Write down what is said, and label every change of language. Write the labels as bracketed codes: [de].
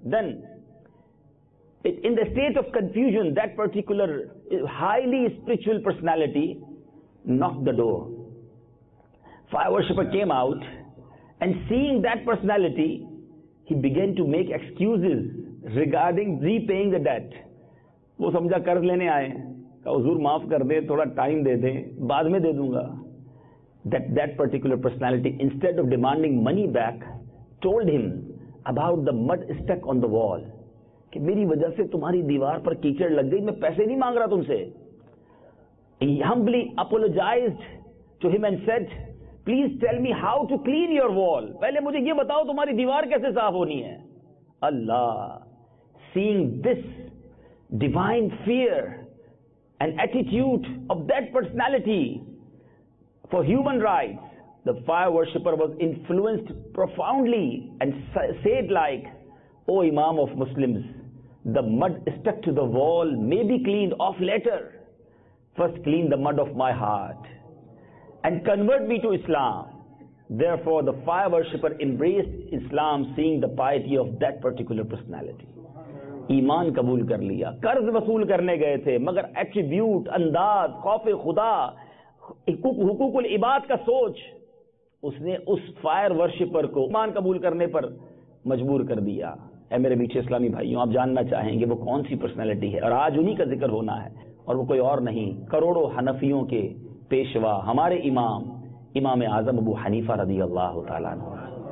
[en] Then in the state of confusion, that particular highly spiritual personality knocked the door. Fire worshipper came out and seeing that personality, he began to make excuses regarding repaying the debt. [ur] وہ سمجھا قرض لینے آئے, کہا حضور معاف کر دیں, تھوڑا ٹائم دے دیں, بعد میں دے دوں گا. [en] That particular personality, instead of demanding money back, told him about the mud stuck on the wall. [ur] کہ میری وجہ سے تمہاری دیوار پر کیچڑ لگ گئی, میں پیسے نہیں مانگ رہا تم سے. [en] He humbly apologized to him and said please tell me how to clean your wall, [ur] پہلے مجھے یہ بتاؤ تمہاری دیوار کیسے صاف ہونی ہے. [en] Allah seeing this divine fair and attitude of that personality for human rights the fire worshipper was influenced profoundly and said like oh imam of Muslims the mud stick to the wall may be cleaned of later first clean the mud of my heart and convert me to Islam. Therefore, the fire worshipper embraced Islam seeing the piety of that particular personality. [ur] ایمان قبول کر لیا، قرض وصول کرنے گئے تھے، مگر ایٹریبیوٹ، انداز، خوف خدا، حقوق العباد کا سوچ اس نے اس فائر ورشپر کو ایمان قبول کرنے پر مجبور کر دیا. اے میرے میٹھے اسلامی بھائیوں، آپ جاننا چاہیں گے وہ کون سی پرسنالٹی ہے، اور آج انہی کا ذکر ہونا ہے، اور وہ کوئی اور نہیں، کروڑوں حنفیوں کے پیشوا، ہمارے امام، امام اعظم ابو حنیفہ رضی اللہ تعالیٰ عنہ.